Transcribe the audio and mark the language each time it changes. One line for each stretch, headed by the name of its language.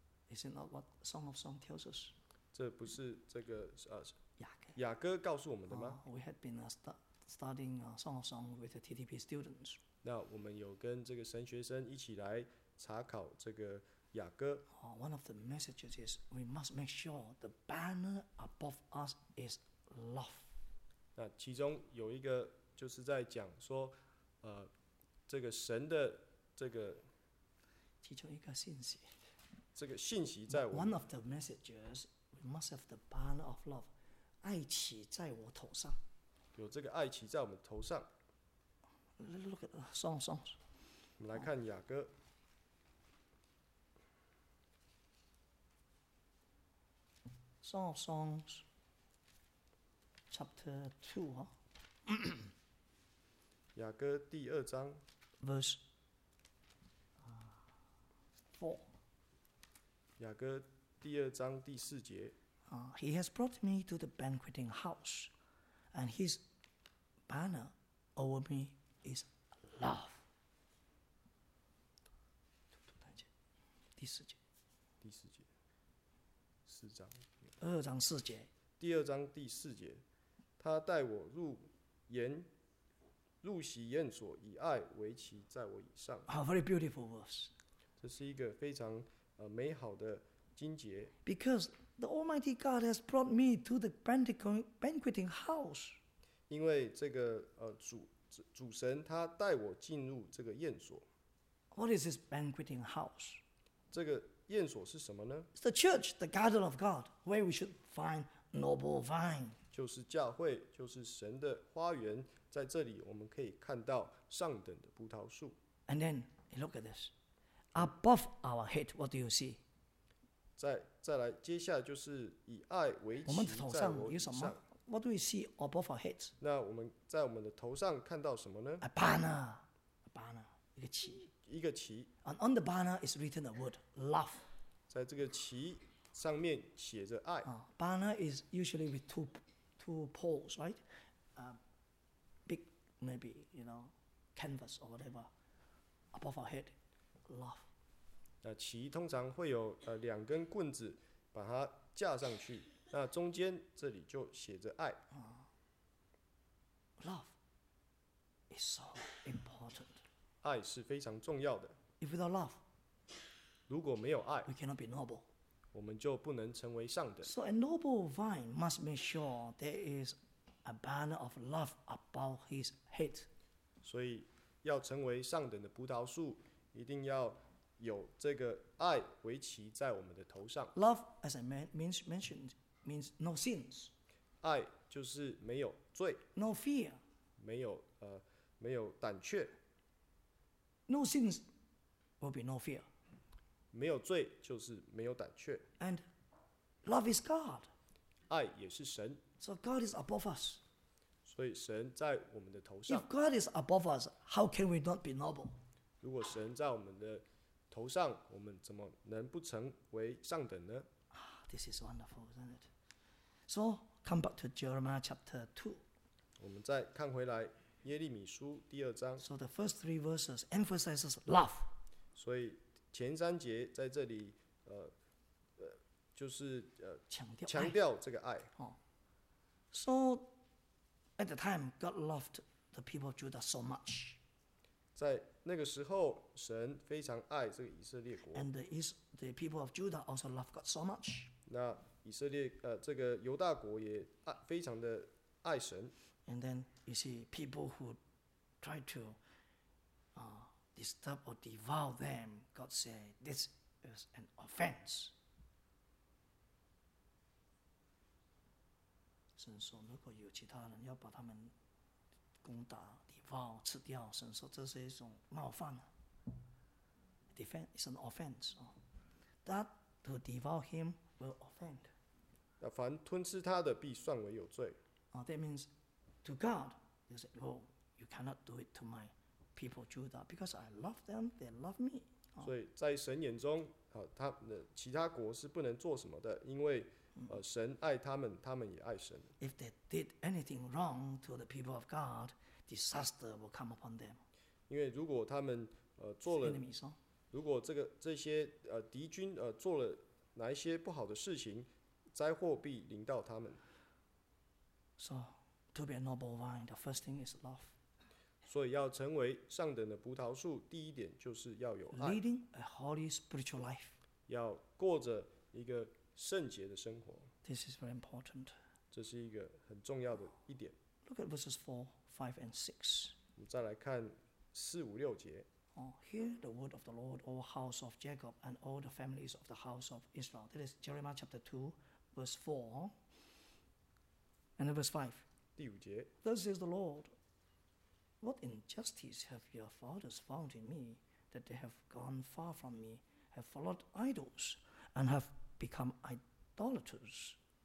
English: Is it not what Song of Song tells us?
Chinese: 这不是这个雅歌告诉我们的吗？
English: We had been studying Song of Song with the TTP students.
Chinese: 那我们有跟这个神学生一起来查考这个雅歌。
English: One of the messages is we must make sure the banner above us is love.
Chinese: 那其中有一个就是在讲说，这个神的这个其中一个信息，这个信息在我。
English: One of the messages we must have the banner of love,
Chinese: 爱旗在我头上。有这个爱旗在我们头上。
English: Look at songs.
Chinese: 我们来看雅歌。
English: Song of Songs, chapter 2,
Chinese: 雅歌第二章
English: verse 4,
Chinese: 雅歌第二章第四节
English: He has brought me to the banqueting house, and his banner over me is love.
Chinese: 第四节四章二章四节，第二章第四节，他带我入席宴所，以爱为旗在我以上。
English: A very beautiful verse.
Chinese: 这是一个非常美好的经节。
English: Because the Almighty God has brought me to the banqueting house.
Chinese: 因为这个主神他带我进入这个宴所。
English: What is this banqueting house?
Chinese: 这个宴所是什么呢？
English: It's the church, the garden of God, where we should find noble vine.
Chinese: 就是教会，就是神的花园，在这里我们可以看到上等的葡萄树。
English: And then, look at this. Above our head, what do you see?
Chinese: 再来，接下来就是以爱为旗。我们的头上有什么？
English: What do we see above our heads?
Chinese: 那我们在我们的头上看到什么呢？
English: A banner,
Chinese: 一个旗。一个旗，
English: and on the banner is written the word love.
Chinese: 在这个旗上面写着爱。
English: Banner is usually with two poles, right? Big maybe canvas or whatever above our head, love.
Chinese: 那旗通常会有两根棍子把它架上去，那中间这里就写着爱。
English: Love is so important.
Chinese: 爱是非常重要的。
English: If without love,
Chinese: 如果没有爱
English: we cannot be noble.
Chinese: 我们就不能成为上等。
English: So a noble vine must make sure there is a banner of love above his head.
Chinese: 所以要成为上等的葡萄树，一定要有这个爱围棋在我们的头上。
English: Love, as I mentioned, means no sins.
Chinese: 爱就是没有罪。
English: No fear.
Chinese: 没有胆怯。
English: No sins will be no fear.
Chinese: 没有罪就是没有胆怯。
English: And love is God.
Chinese: 爱也是神。
English: So God is above us.
Chinese: 所以神在我们的头上。
English: If God is above us, how can we not be noble?
Chinese: 如果神在我们的头上，我们怎么能不成为上等呢？
English: This is wonderful, isn't it? So, come back to Jeremiah chapter 2.
Chinese: 我们再看回来耶利米书第二章。
English: So the first three verses emphasizes love.
Chinese: 所以前三节在这里就是强调这个爱。
English: So at the time, God loved the people of Judah so much.
Chinese: 在那个时候，神非常爱这个以色列国。
English: And the people of Judah also love God so much.
Chinese: 那以色列这个犹大国也非常的爱神。
English: And then you see people who try to disturb or devour them, God say this is an offense.
Chinese: 神说，如果有其他人要把他们攻打。 Wow, 吃掉，神说这是一种冒犯。
English: Defend is an offense. That to devour him will offend.
Chinese: 那凡吞吃他的，必算为有罪。
English: That means to God, you say, oh, you cannot do it to my people Judah because I love them, they love me.
Chinese: 所以在神眼中，他的其他国是不能做什么的，因为神爱他们，他们也爱神。
English: If they did anything wrong to the people of God. Disaster will come upon them.
Chinese: 因为如果他们做了，如果这些敌军做了哪一些不好的事情，灾祸必临到他们。
English: So to be a noble vine, the first thing is love.
Chinese: 所以要成为上等的葡萄树，第一点就是要有爱。
English: Leading a holy spiritual life.
Chinese: 要过着一个圣洁的生活。
English: This is very important.
Chinese: 这是一个很重要的一点。
English: Look at verses 4, 5, and 6.
Chinese: 我们再来看四五六节。
English: Hear the word of the Lord, O house of Jacob, and all the families of the house of Israel. That is Jeremiah chapter 2, verse 4, and verse 5.
Chinese: 第五节。
English: Thus says the Lord, What injustice have your fathers found in me, that they have gone far from me, have followed idols, and have become idolaters?